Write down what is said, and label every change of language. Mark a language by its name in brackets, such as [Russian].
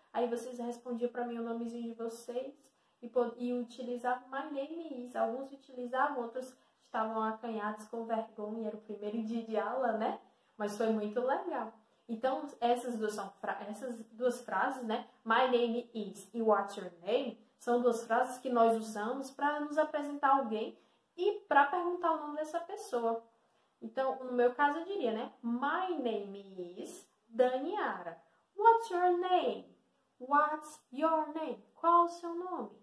[Portuguese] Aí vocês respondiam para mim o nomezinho de vocês e utilizavam [English] My name is. [Portuguese] Alguns utilizavam, outros estavam acanhados com vergonha. Era o primeiro dia de aula, né? Mas foi muito legal. Então, essas duas frases, né? [English] My name is e what's your name? [Portuguese] São duas frases que nós usamos para nos apresentar alguém e para perguntar o nome dessa pessoa. Então, no meu caso, eu diria, né? [English] My name is Daniara. What's your name? What's your name? [Portuguese] Qual o seu nome?